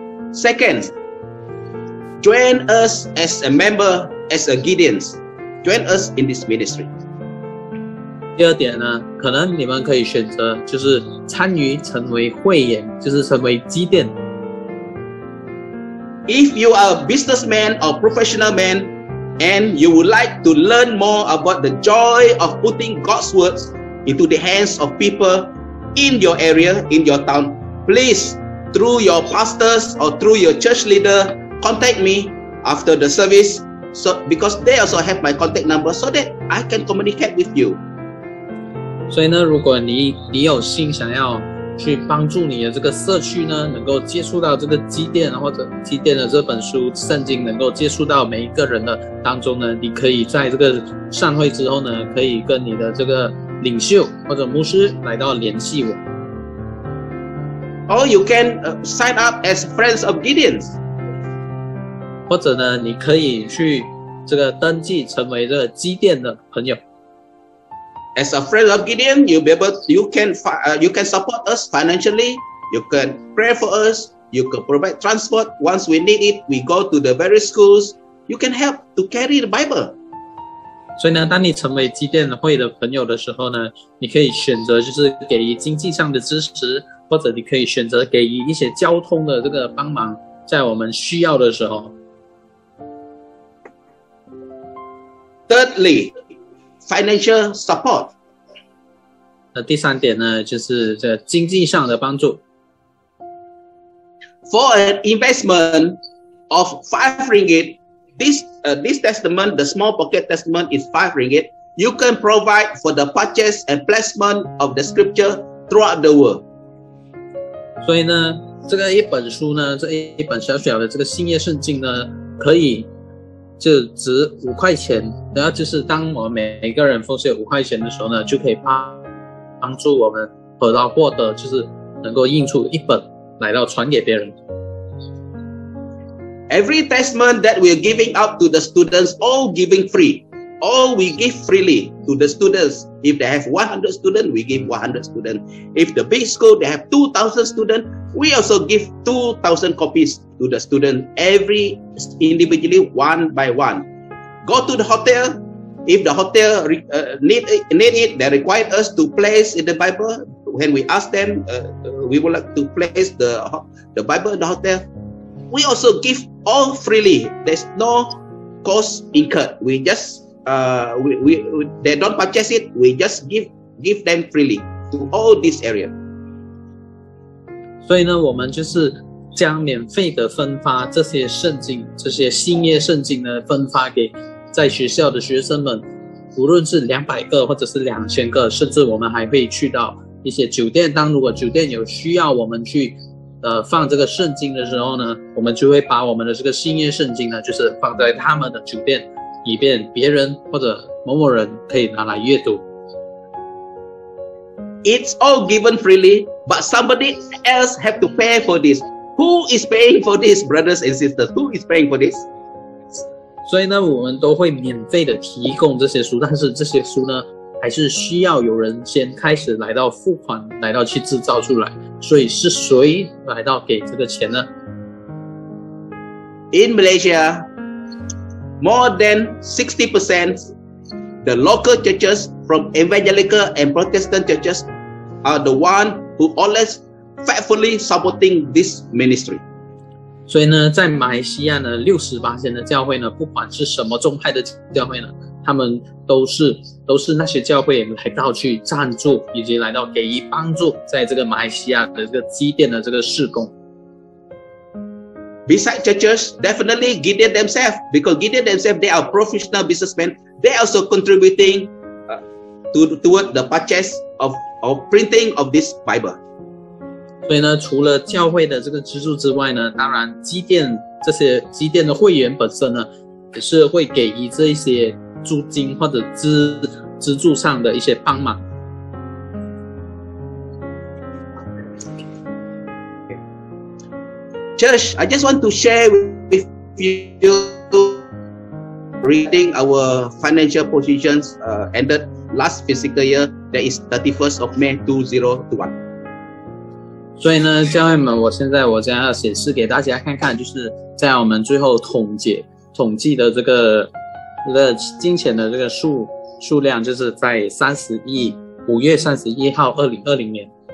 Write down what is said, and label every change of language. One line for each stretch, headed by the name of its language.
English: Second, join us as a member, as a Gideons. Join us in this ministry.
Chinese: 第二点呢，可能你们可以选择就是参与成为会员，就是成为基甸。
English: If you are a businessman or professional man, and you would like to learn more about the joy of putting God's words into the hands of people in your area, in your town, please, through your pastors or through your church leader, contact me after the service, because they also have my contact number so that I can communicate with you.
Chinese: 所以呢，如果你有心想要去帮助你的这个社区呢，能够接触到这个基甸，或者基甸的这本书圣经能够接触到每一个人的当中呢，你可以在这个上会之后呢，可以跟你的这个领袖或者牧师来到联系我。
English: Or you can sign up as friends of Gideons.
Chinese: 或者呢，你可以去这个登记成为这个基甸的朋友。
English: As a friend of Gideon, you can support us financially. You can pray for us. You can provide transport once we need it. We go to the various schools. You can help to carry the Bible.
Chinese: 所以呢，当你成为基甸会的朋友的时候呢，你可以选择就是给予经济上的支持，或者你可以选择给予一些交通的这个帮忙，在我们需要的时候。
English: Thirdly. Financial support.
Chinese: 第三点呢，就是这经济上的帮助。
English: for an investment of 5 ringgit, this testament, the small pocket testament, is 5 ringgit. You can provide for the purchase and placement of the scripture throughout the world.
Chinese: 所以呢，这个一本书呢，这一本小小的这个新约圣经呢，可以就值5块钱。然后就是当我们每个人奉献5块钱的时候呢，就可以帮助我们得到获得，就是能够印出一本来到传给别人。
English: Every testament that we're giving out to the students, all giving free. All we give freely to the students. If they have 100 students, we give 100 students. If the big school, they have 2,000 students, we also give 2,000 copies to the students, every individually, one by one. Go to the hotel. If the hotel need it, they require us to place in the Bible. When we ask them, we would like to place the Bible in the hotel. We also give all freely. There's no cost incurred. We just, they don't purchase it. We just give them freely to all this area.
Chinese: 所以呢，我们就是将免费的分发这些圣经，这些新约圣经呢，分发给在学校的学生们，无论是200个或者是2000个，甚至我们还会去到一些酒店当，如果酒店有需要我们去放这个圣经的时候呢，我们就会把我们的这个新约圣经呢，就是放在他们的酒店，以便别人或者某某人可以拿来阅读。
English: It's all given freely, but somebody else have to pay for this. Who is paying for this, brothers and sisters? Who is paying for this?
Chinese: 所以呢，我们都会免费的提供这些书，但是这些书呢，还是需要有人先开始来到付款，来到去制造出来。所以是谁来到给这个钱呢？
English: In Malaysia, more than 60% the local churches from evangelical and Protestant churches are the one who always faithfully supporting this ministry.
Chinese: 所以呢，在马来西亚呢，60%的教会呢，不管是什么宗派的教会呢，他们都是那些教会来到去赞助，以及来到给予帮助，在这个马来西亚的这个基甸的这个事工。
English: Besides churches, definitely Gideon themselves, because Gideon themselves, they are professional businessmen. They also contributing toward the purchase of printing of this Bible.
Chinese: 所以呢，除了教会的这个资助之外呢，当然这些基甸的会员本身呢，也是会给予这一些租金或者资助上的一些帮忙。
English: Church, I just want to share with you reading our financial positions ended last fiscal year, that is 31st of May 2021.
Chinese: 所以呢，教会们，我现在将要显示给大家看看，就是在我们最后统计的这个金钱的这个数量，就是在5月31号2020年。